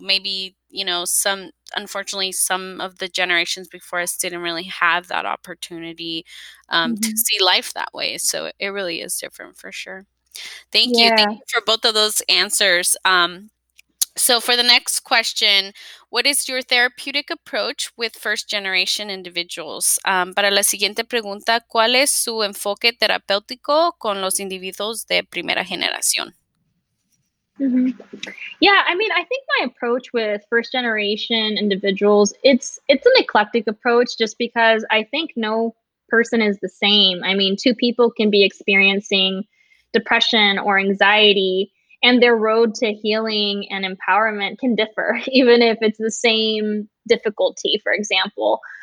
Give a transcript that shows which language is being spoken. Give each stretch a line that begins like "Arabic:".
English: Maybe, you know, unfortunately, some of the generations before us didn't really have that opportunity to see life that way. So it really is different for sure. Thank you. Thank you for both of those answers. So for the next question, what is your therapeutic approach with first-generation individuals?
Spanish: Para la siguiente pregunta, ¿cuál es su enfoque terapéutico con los individuos de primera generación? Mm-hmm.
English: Yeah, I mean, I think my approach with first-generation individuals, it's an eclectic approach just because I think no person is the same. I mean, two people can be experiencing depression or anxiety, and their road to healing and empowerment can differ, even if it's the same difficulty, for example.